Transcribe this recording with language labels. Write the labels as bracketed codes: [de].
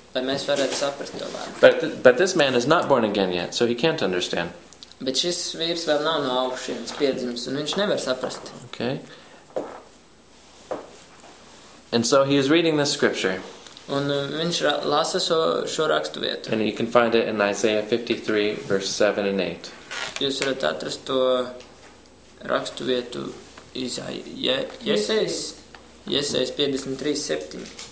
[lv] Lai mēs varētu saprast to vārdu. [en] But this man is not born again yet, so he can't understand. [lv] Bet šis vīrs vēl nav no augšienas piedzimis, un viņš nevar saprast. [en] Okay. And so he is reading this scripture. [lv] Un viņš lasa šo rakstu vietu. [en] And you can find it in Isaiah 53, verse 7 and 8. [lv] Jūs varat atrast to rakstu vietu Jesējas 53, 7.